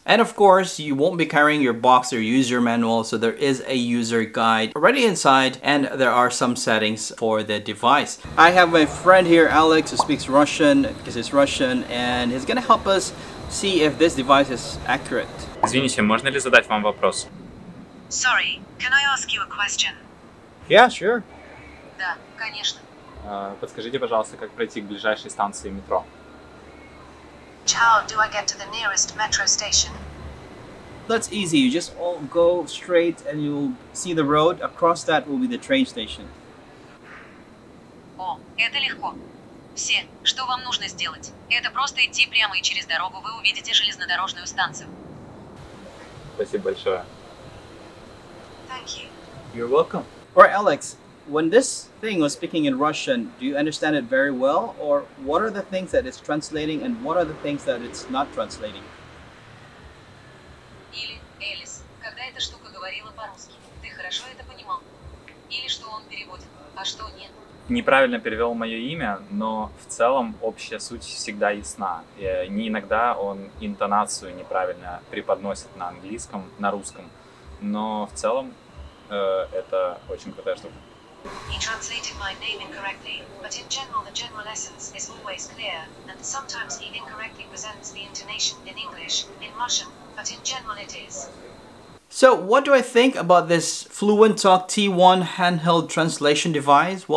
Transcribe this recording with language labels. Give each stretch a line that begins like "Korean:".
English: And of course, you won't be carrying your box or user manual, so there is a user guide already inside and there are some settings for the device. I have my friend here, Alex, who speaks Russian because he's Russian and he's gonna help us see if this device is accurate.
Russian: Извините, можно ли задать вам вопрос?
English: Sorry, can I ask you a question? Yeah, sure.
Russian: Да, конечно. Подскажите, пожалуйста, как пройти к ближайшей станции метро?
English: How do I get to the nearest metro station? That's easy. You just all go straight and you'll see the road. Across that will be the train station.
Russian: О, это легко. Все, что вам нужно сделать, это просто идти прямо и через дорогу вы увидите железнодорожную станцию. Спасибо большое.
English: Thank you. You're welcome. Or Alex, when this thing was speaking in Russian, do you understand it very well? Or what are the things that it's translating and what are the things that it's not translating?
Russian: Или, Элис, когда эта штука говорила по-русски, ты хорошо это понимал? Или что он переводит, а что нет? Неправильно перевел мое имя, но в целом общая суть всегда ясна. И не иногда он интонацию неправильно преподносит на английском, на русском, но в целом это очень крутая штука.
English: He translated my name incorrectly, but in general the general essence is always clear, and sometimes he incorrectly presents the intonation in English, in Russian, but in general it is. So, what do I think about this Fluentalk T1 handheld translation device?